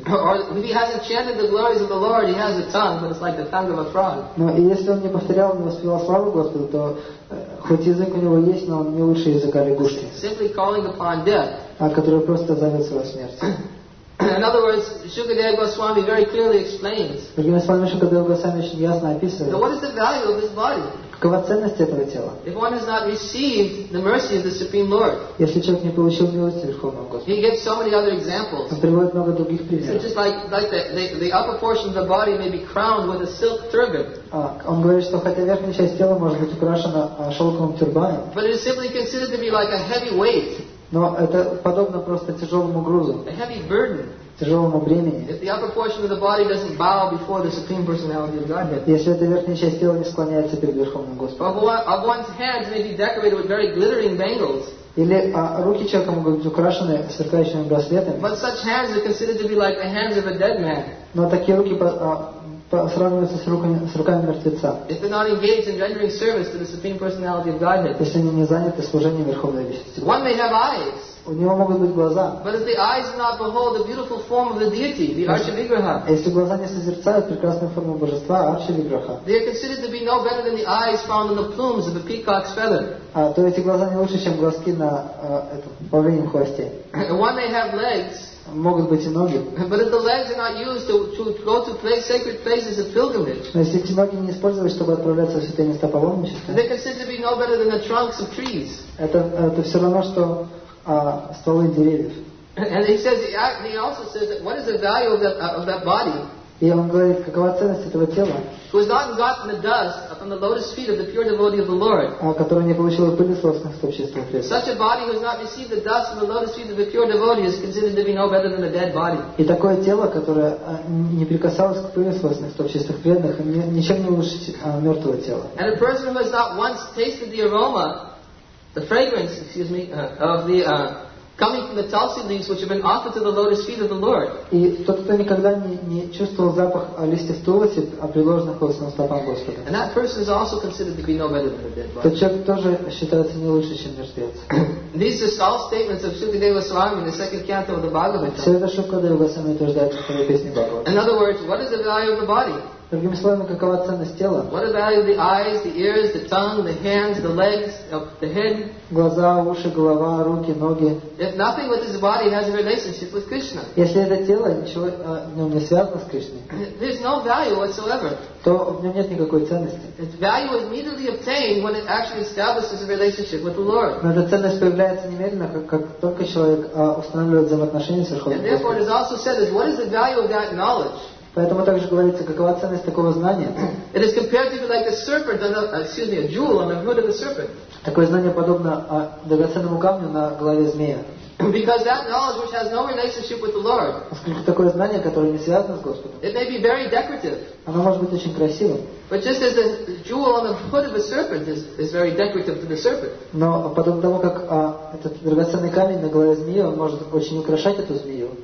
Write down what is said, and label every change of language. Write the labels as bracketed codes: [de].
[en] Or if he hasn't chanted the glories of the Lord, he has a tongue, but it's like the tongue of a frog. [ru] Но если он не повторял, не воспевал славу Господу, то хоть язык у него есть, но он не лучше языка лягушки. [en] Simply calling upon death. [ru] А который просто зовет свою смерть. [en] In other words, Shukadeva Goswami very clearly explains. [ru] Другими словами, Шукадева Госвами очень ясно описывает. [en] What is the value of this body? [ru] Какова ценность этого тела? [en] If one has not received the mercy of the Supreme Lord. [ru] Если человек не получил милости Верховного Господа. [en] He gives so many other examples. [ru] Он приводит много других примеров. [en] It's just like the upper portion of the body may be crowned with a silk turban. [ru] Он говорит, что хотя верхняя часть тела может быть украшена шелковым тюрбаном. [en] But it is simply considered to be like a heavy weight. [ru] Но это подобно просто тяжелому грузу, [en] a heavy burden, [ru] тяжелому бремени. [en] If the upper portion of the body doesn't bow before the Supreme Personality of Godhead, [ru] если эта верхняя часть тела не склоняется перед Верховным Господом, [en] of one's hands may be decorated with very glittering bangles, [ru] или руки человека могут быть украшены сверкающими браслетами, [en] but such hands are considered to be like the hands of a dead man. [ru] Но такие руки сравниваются с руками мертвеца. [en] If they're not engaged in rendering service to the Supreme Personality of Godhead. [ru] Если они не заняты служением Верховной Личности. [en] One may have eyes. [ru] У него могут быть глаза. [en] But if the eyes do not behold the beautiful form of the deity, the Archivigraha. [ru] Если глаза не созерцают прекрасную форму божества, Archivigraha. [en] They are considered to be no better than the eyes found in the plumes of a peacock's feather. [ru] То эти глаза не лучше, чем глазки на павлинем хвосте. [en] One may have legs. [ru] Могут быть и ноги. [en] But if the legs are not used to go to place, sacred places of pilgrimage. [ru] Если эти ноги не использовать, чтобы отправляться в святые места паломничества. [en] They consider to be no better than the trunks of trees. [ru] Это все равно, что стволы деревьев. [en] And he also says that what is the value of that body? [ru] И он говорит, какова ценность этого тела? [en] Who has not gotten the dust from the lotus feet of the pure devotee of the Lord? [ru] Который не получил пыли с лотосных стоп чистого преданного. [en] Such a body who has not received the dust from the lotus feet of the pure devotee is considered to be no better than a dead body. [ru] И такое тело, которое не прикасалось к пыли с лотосных стоп чистого преданного, ничем не лучше мертвого тела. [en] And a person who has not once tasted the aroma, the fragrance, of the coming from the tulsi leaves which have been offered to the lotus feet of the Lord. [ru] И тот, кто никогда не чувствовал запах листьев тулоси, а приложенных к лотосным стопам Господа. [en] And that person is also considered to be no better than a dead body. [ru] Тот человек тоже считается не лучше, чем мертвец. [en] These are all statements of Shukadeva Swami in the second canto of the Bhagavatam. [ru] Все это Шукадева Свами утверждается в первой песне Бхагавата. [en] In other words, what is the value of the body? [ru] Другими словами, какова ценность тела? [en] What are the value of the eyes, the ears, the tongue, the hands, the legs, the head? [ru] Глаза, уши, голова, руки, ноги. [en] If nothing with this body has a relationship with Krishna. [ru] Если это тело ничего в нем не связано с Кришной. [en] There's no value whatsoever. [ru] То в нем нет никакой ценности. [en] Its value is immediately obtained when it actually establishes a relationship with the Lord. [ru] Но эта ценность появляется немедленно, как только человек устанавливает взаимоотношения с Верховным Господом. [en] And therefore, it is also said is what is the value of that knowledge? [ru] Поэтому также говорится, какова ценность такого знания? [en] It is compared to be like a serpent, a jewel on the hood of a serpent. [ru] Такое знание подобно драгоценному камню на голове змея. [en] Because that knowledge which has no relationship with the Lord. [ru] Такое знание, которое не связано с Господом. [en] It may be very decorative. [ru] Оно может быть очень красивым. [en] But just as the jewel on the hood of a serpent is very decorative to the serpent. [ru] Но подобно тому, как этот драгоценный камень на голове змеи, он может очень украшать эту змею.